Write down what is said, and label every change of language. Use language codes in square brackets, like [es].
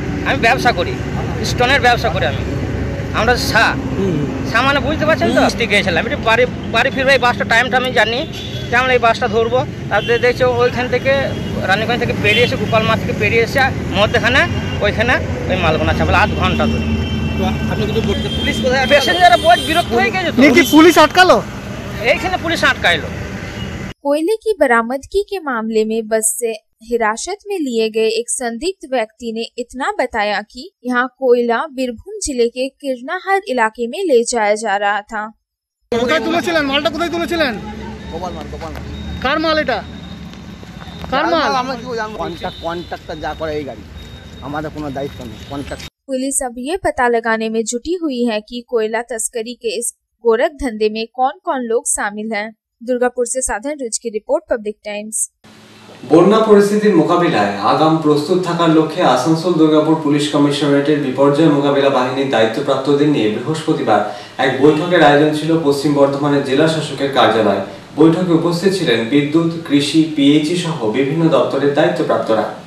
[bn] আমি ব্যবসা করি, স্টোনের ব্যবসা করি আমি। আমরা সা মানে বুঝতে পারছেন তো, স্টিকে গেছিলাম। একটু বাড়ি ফিরবো, এই বাসটা টাইমটা আমি জানি, আমরা এই বাসটা ধরবো। তারপরে দেখছি ওইখান থেকে রানীগঞ্জ থেকে পেরিয়ে এসে, গোপাল মা থেকে পেরিয়ে এসে মধ্যেখানে ওইখানে ওই মালগোনা চাপালে 8 ঘন্টা ধরে। [hi] कोयले की बरामदगी के मामले में बस से हिरासत में लिए गए एक संदिग्ध व्यक्ति ने इतना बताया कि यहां कोयला बीरभूम जिले के किरनाहर इलाके में ले जाया जा रहा था। पुलिस अब ये पता लगाने में जुटी हुई है कि कोयला तस्करी के इस गोरख धंधे में कौन कौन लोग शामिल हैं। दुर्गापुर से साधन रुच की रिपोर्ट, पब्लिक टाइम्स। [bn] বন্যা পরিস্থিতির মোকাবিলায় আগাম প্রস্তুত থাকার লক্ষ্যে আসানসোল দুর্গাপুর পুলিশ কমিশনারেটের বিপর্যয় মোকাবিলা বাহিনীর দায়িত্বপ্রাপ্তদের নিয়ে বৃহস্পতিবার এক বৈঠকের আয়োজন ছিল পশ্চিম বর্ধমানের জেলা শাসকের কার্যালয়ে। বৈঠকে উপস্থিত ছিলেন বিদ্যুৎ, কৃষি, পিএইচই সহ বিভিন্ন দপ্তরের দায়িত্বপ্রাপ্তরা।